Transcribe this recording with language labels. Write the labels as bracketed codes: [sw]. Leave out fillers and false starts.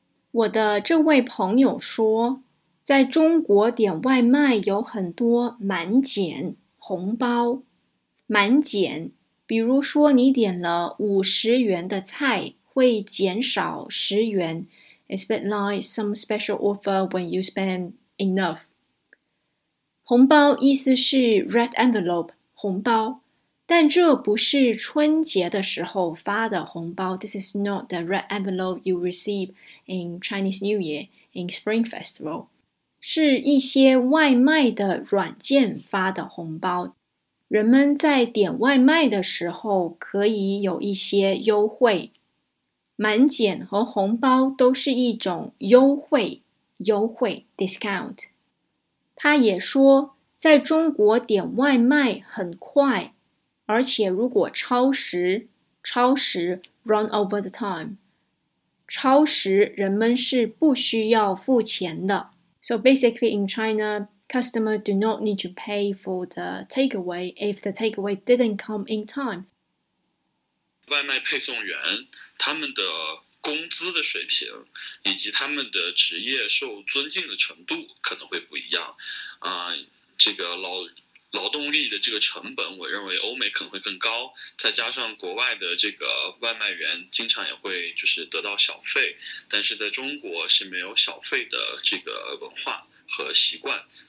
[zh] 我的这位朋友说，在中国点外卖有很多满减红包。满减，比如说你点了50元的菜，会减少10元。 [en] It's a bit like some special offer when you spend enough. [zh] 红包意思是 [en] red envelope, [zh] 红包。但这不是春节的时候发的红包。 [en] This is not the red envelope you receive in Chinese New Year, in Spring Festival. [zh] 是一些外卖的软件发的红包。人们在点外卖的时候可以有一些优惠。满减和红包都是一种优惠，优惠 discount。他也说，在中国点外卖很快，而且如果超时，超时 [en] run over the time， [zh] 超时人们是不需要付钱的。 [en] So basically in China, customers do not need to pay for the takeaway if the takeaway didn't come in time. [zh] 外卖配送员他们的工资的水平以及他们的职业受尊敬的程度可能会不一样。这个劳动力的这个成本，我认为欧美可能会更高，再加上国外的这个外卖员经常也会就是得到小费，但是在中国是没有小费的这个文化和习惯。